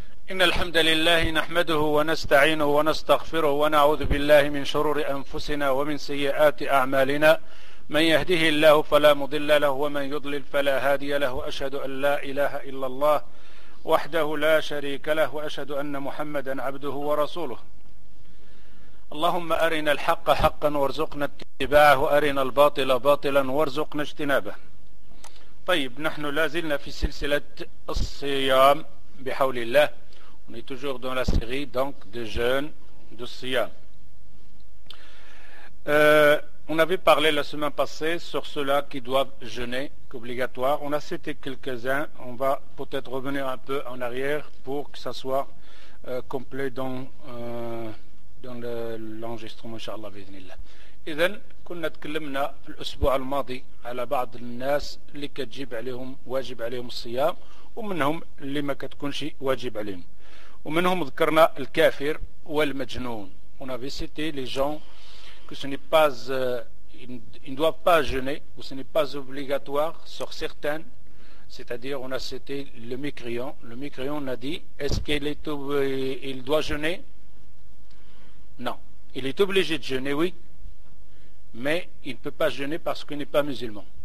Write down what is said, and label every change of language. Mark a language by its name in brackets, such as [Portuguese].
[Arabic] إن الحمد لله نحمده ونستعينه ونستغفره ونعوذ بالله من شرور أنفسنا ومن سيئات أعمالنا، من يهده الله فلا مضل له ومن يضلل فلا هادي له، أشهد أن لا إله إلا الله وحده لا شريك له وأشهد أن محمدا عبده ورسوله. اللهم أرنا الحق حقا وارزقنا اتباعه، أرنا الباطل باطلا وارزقنا اجتنابه. طيب، نحن لازلنا في سلسلة الصيام بحول الله. [French] On est toujours dans la série donc de jeûne de Siyam. On avait parlé la semaine passée sur ceux-là qui doivent jeûner, qu'obligatoire. On a cité quelques-uns. On va peut-être revenir un peu en arrière pour que ça soit complet dans l'enregistrement, inshallah, biznillah. [Arabic] Idhan, kunna tkallamna l'usbou' al-madi ala ba'd al-nas li katjib alayhom wajib alayhom siyam w minhom li ma katkunchi wajib alayhom. ومنهم ذكرنا الكافر والمجنون. [French] On avait cité les gens que ce n'est pas ils ne doivent pas jeûner ou ce n'est pas obligatoire sur certains, c'est-à-dire on a cité le mécréant. Le mécréant, on a dit, est-ce qu'il est il doit jeûner? Non, il est obligé de jeûner, oui, mais il ne peut pas jeûner parce qu'il n'est pas musulman.